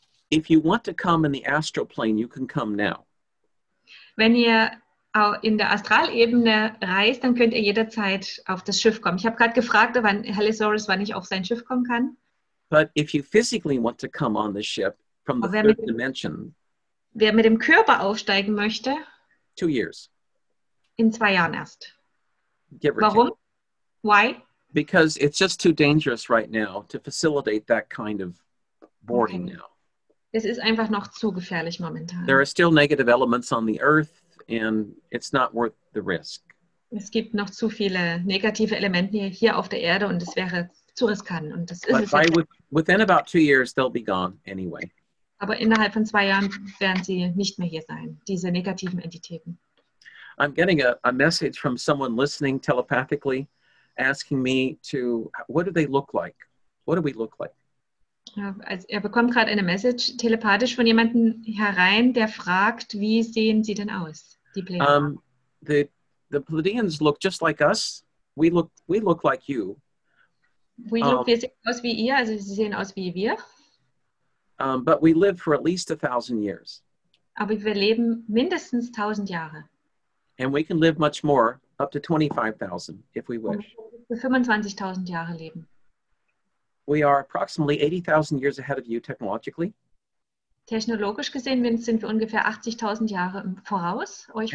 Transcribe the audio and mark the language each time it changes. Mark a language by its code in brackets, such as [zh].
[en] If you want to come in the astral plane, you can come now. [de] Wenn ihr in der Astralebene reist, dann könnt ihr jederzeit auf das Schiff kommen. Ich habe gerade gefragt, wann ich auf sein Schiff kommen kann. [en] But if you physically want to come on the ship from the third dimension. [de] Wer mit dem Körper aufsteigen möchte. [en] 2 years. [de] In 2 Jahren erst. [en] Give or [de] Warum? [en] Take. Why? Because it's just too dangerous right now to facilitate that kind of boarding now. [de] Es ist einfach noch zu gefährlich momentan. [en] There are still negative elements on the Earth and it's not worth the risk. [de] Es gibt noch zu viele negative Elemente hier auf der Erde und es wäre zu riskant. Und das ist [en] es. Within about 2 years, they'll be gone anyway. [de] Aber innerhalb von 2 Jahren werden sie nicht mehr hier sein, diese negativen Entitäten. [en] I'm getting a message from someone listening telepathically, asking me to, what do they look like? What do we look like? [de] Er bekommt gerade eine Message telepathisch von jemandem herein, der fragt, wie sehen sie denn aus, die Pleiaden? [en] The Pleiadians look just like us. We look like you. [de] Wir sehen aus wie ihr, also sie sehen aus wie wir. [en] But we live for at least 1,000 years. [de] Aber wir leben mindestens 1,000 Jahre. [en] And we can live much more, up to 25,000, if we wish. [de] Und für 25,000 Jahre leben. [en] We are approximately 80,000 years ahead of you technologically. [de] Technologisch gesehen sind wir ungefähr 80,000 Jahre voraus, euch